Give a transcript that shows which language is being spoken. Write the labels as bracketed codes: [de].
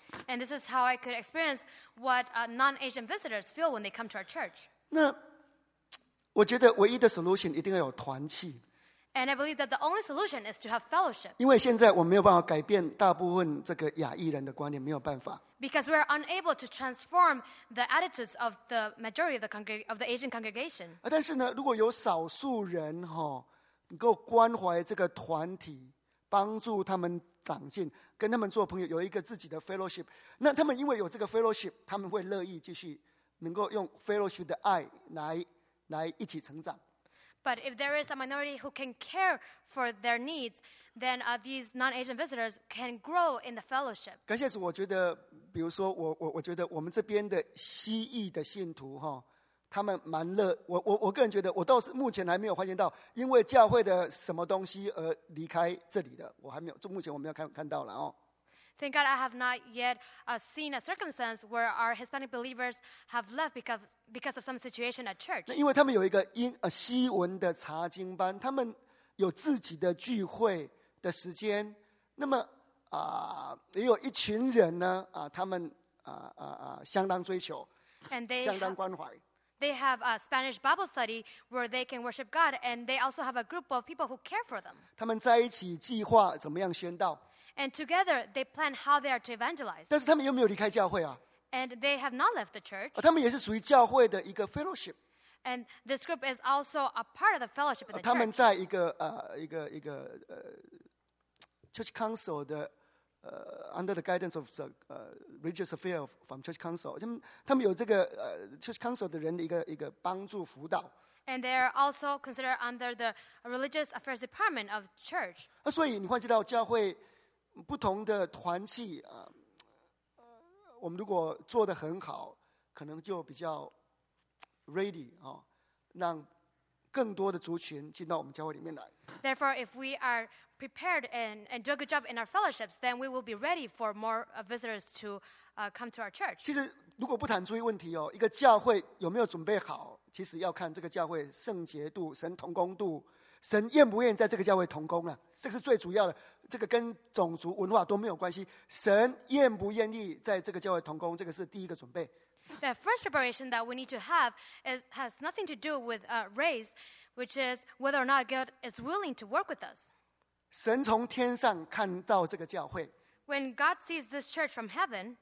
[en] And this is how I could experience what non-Asian visitors feel when they come to our church. [zh] 那我觉得唯一的 solution 一定要有团契。 [en] And I believe that the only solution is to have fellowship. [zh] 因为现在我没有办法改变大部分这个亚裔人的观念，没有办法。 [en] Because we are unable to transform the attitudes of the majority of the Asian congregation. [zh] 但是呢，如果有少数人哈，能够关怀这个团体，帮助他们长进，跟他们做朋友，有一个自己的 fellowship， 那他们因为有这个 fellowship， 他们会乐意继续能够用 fellowship 的爱来一起成长。 [en] But if there is a minority who can care for their needs, then these non-Asian visitors can grow in the fellowship. [zh] 感谢主，我觉得，比如说我觉得我们这边的西裔的信徒哈，他们蛮乐。我个人觉得，我倒是目前还没有发现到因为教会的什么东西而离开这里的，我还没有，目前我没有看到了哦。 [en] Thank God I have not yet seen a circumstance where our Hispanic believers have left because of some situation at church. [zh] 因为他们有一个西文的查经班，他们有自己的聚会的时间。那么也有一群人呢他们相当追求，相当关怀。 [en] They have a Spanish Bible study where they can worship God, and they also have a group of people who care for them. [zh] 他们在一起计划怎么样宣道。 [en] And together, they plan how they are to evangelize. [zh] 但是他们又没有离开教会啊。 [en] And they have not left the church. [zh] 他们也是属于教会的一个 fellowship. [en] And this group is also a part of the fellowship in the church. [zh] 他们在一个 [en] church council 的under the guidance of the religious affairs from church council. [zh] 他们有这个church council 的人的一个帮助辅导。 [en] And they are also considered under the religious affairs department of church. [zh] 所以你会知道教会。不同的团契我们如果做得很好，可能就比较 ready 让更多的族群进到我们教会里面来。 [en] Therefore, if we are prepared and do a good job in our fellowships, then we will be ready for more visitors to come to our church. [zh] 其实如果不谈注意问题哦，一个教会有没有准备好，其实要看这个教会圣洁度、神同工度、神愿不愿意在这个教会同工啊。这个是最主要的，这个跟种族文化都没有关系。神愿不愿意在这个教会同工，这个是第一个准备。 [en] The first preparation that we need to have has nothing to do with race, which is whether or not God is willing to work with us. [zh] 神从天上看到这个教会。 [en] When God sees this church from heaven,